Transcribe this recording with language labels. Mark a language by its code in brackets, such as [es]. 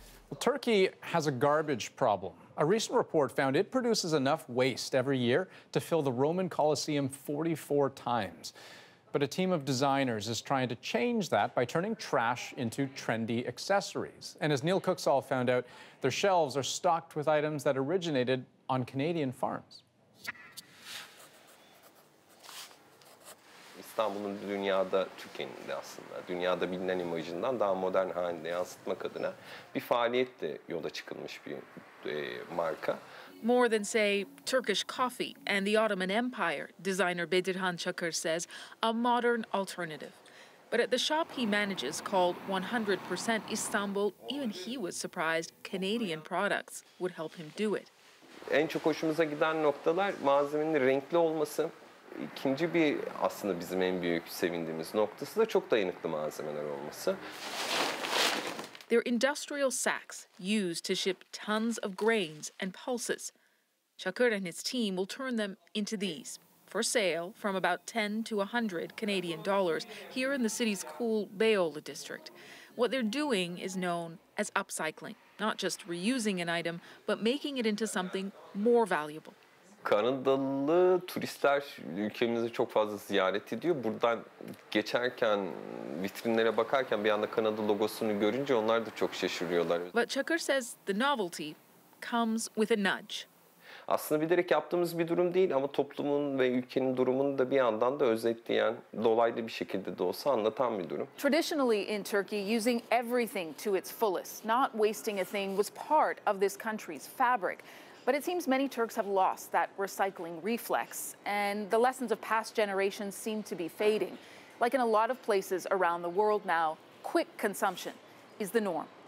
[en] Well, Turkey has a garbage problem. A recent report found it produces enough waste every year to fill the Roman Colosseum 44 times. But a team of designers is trying to change that by turning trash into trendy accessories. And as Neil Cooksall found out, their shelves are stocked with items that originated on Canadian farms. [tr] İstanbul'un dünyada Türkiye'nin de aslında dünyada bilinen imajından daha modern haline yansıtmak adına bir faaliyetle yola çıkılmış bir marka. [en] More than, say, Turkish coffee and the Ottoman Empire, designer Bedirhan Çakır says, a modern alternative. But at the shop he manages, called 100% Istanbul, even he was surprised Canadian products would help him do it. [tr] En çok hoşumuza giden noktalar malzemenin renkli olması. İkinci bir aslında bizim en büyük sevindiğimiz noktası da çok dayanıklı malzemeler olması. [en] They're industrial sacks used to ship tons of grains and pulses. Çakır and his team will turn them into these for sale from about 10 to 100 Canadian dollars here in the city's cool Bayola district. What they're doing is known as upcycling, not just reusing an item, but making it into something more valuable. [tr] Kanadalı turistler ülkemizi çok fazla ziyaret ediyor. Buradan geçerken, vitrinlere bakarken bir anda Kanada logosunu görünce onlar da çok şaşırıyorlar. [en] But Çakır says the novelty comes with a nudge. [tr] Aslında bilerek yaptığımız bir durum değil ama toplumun ve ülkenin durumunu da bir yandan da özetleyen, dolaylı bir şekilde de olsa anlatan bir durum. [en] Traditionally in Turkey, using everything to its fullest, not wasting a thing, was part of this country's fabric. But it seems many Turks have lost that recycling reflex, and the lessons of past generations seem to be fading. Like in a lot of places around the world now, quick consumption is the norm.